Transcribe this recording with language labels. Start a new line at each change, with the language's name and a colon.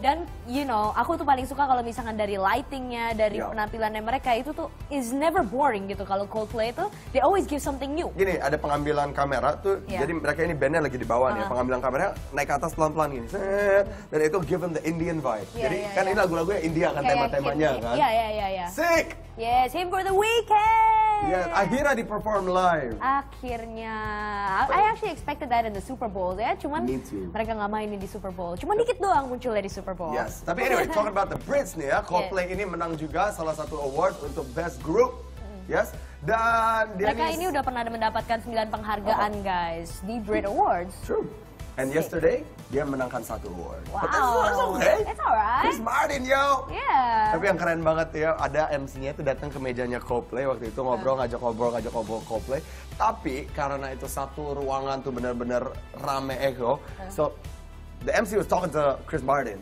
Indonesian: Dan,
English: you know,
Indonesian: aku tuh paling suka kalau misalkan dari lightingnya, dari penampilannya mereka itu tuh
English: is never boring
Indonesian: gitu.
English: Kalau Coldplay tuh, they always give something new.
Indonesian: Gini, ada pengambilan kamera tuh, jadi mereka ini bandnya lagi di bawah nih. Pengambilan kamera naik ke atas pelan-pelan gini. Dan itu
English: give them the Indian vibe.
Indonesian: Yeah, jadi kan ini lagu-lagunya India kan, tema-temanya kan.
English: Sick! Yes, him for the weekend!
Indonesian: Yeah, akhirnya di perform live. Akhirnya.
English: I actually expected that in the Super Bowl ya.
Indonesian: Cuman mereka gak mainin di Super Bowl. Cuman dikit doang munculnya di Super Bowl.
English: Yes,
Indonesian: tapi
English: anyway, talking about the Brits
Indonesian: nih ya. Coldplay ini menang juga salah satu award untuk Best Group. Yes, dan mereka ini udah pernah mendapatkan 9 penghargaan guys di Brit Awards.
English: True. And yesterday,
Indonesian: dia menangkan satu
English: award. Wow. But that's okay. It's alright. Chris Martin, yo. Yeah.
Indonesian: Tapi yang keren banget ya, ada MC-nya itu datang ke mejanya Coldplay waktu itu ngobrol, ngajak ngobrol Coldplay. Tapi karena itu satu ruangan tuh benar-benar rame echo.
English: So the MC was talking to Chris Martin.